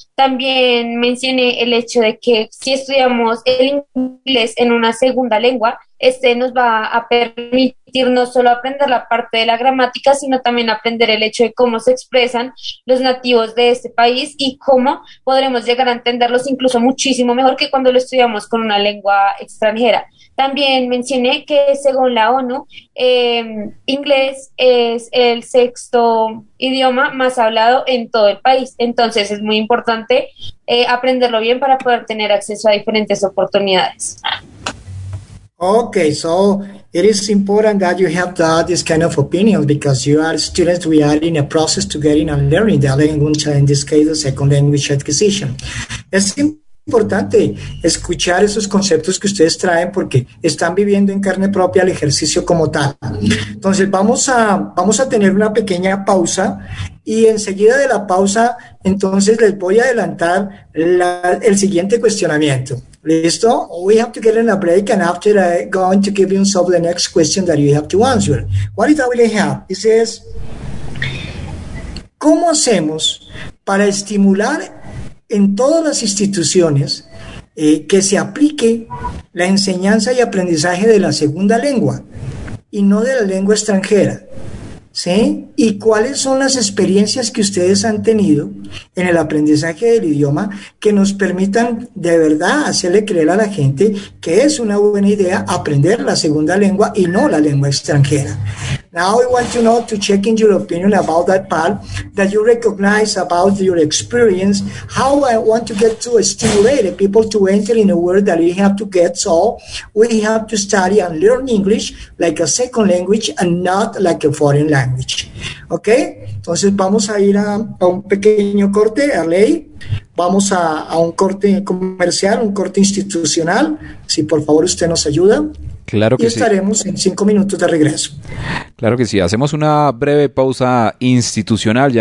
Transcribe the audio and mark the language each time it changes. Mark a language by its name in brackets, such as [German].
[Spanish] También mencioné el hecho de que si estudiamos el inglés en una segunda lengua, este nos va a permitir no solo aprender la parte de la gramática, sino también aprender el hecho de cómo se expresan los nativos de este país y cómo podremos llegar a entenderlos incluso muchísimo mejor que cuando lo estudiamos con una lengua extranjera. También mencioné que según la ONU, inglés es el sexto idioma más hablado en todo el país. Entonces es muy importante aprenderlo bien para poder tener acceso a diferentes oportunidades. [English] Okay, so it is important that you have that this kind of opinion because you are students, we are in a process to getting and learning the language, in this case the second language acquisition. [Spanish] Importante escuchar esos conceptos que ustedes traen porque están viviendo en carne propia el ejercicio como tal. Entonces vamos a tener una pequeña pausa y enseguida de la pausa entonces les voy a adelantar el siguiente cuestionamiento. Listo. [English] We have to get in a break, and after that, I'm going to give you some of the next question that you have to answer. What is that we have? It says, [Spanish] ¿cómo hacemos para estimular en todas las instituciones que se aplique la enseñanza y aprendizaje de la segunda lengua y no de la lengua extranjera? ¿Sí? ¿Y cuáles son las experiencias que ustedes han tenido en el aprendizaje del idioma que nos permitan de verdad hacerle creer a la gente que es una buena idea aprender la segunda lengua y no la lengua extranjera? [English] Now I want to know, to check in your opinion about that part that you recognize about your experience, how I want to get to stimulate the people to enter in a world that we have to get, so we have to study and learn English like a second language and not like a foreign language. Okay? [Spanish] Entonces vamos a ir a un pequeño corte, Arley. Vamos a un corte comercial, un corte institucional. Si por favor usted nos ayuda. Claro que sí. Y estaremos en 5 minutos de regreso. Claro que sí. Hacemos una breve pausa institucional.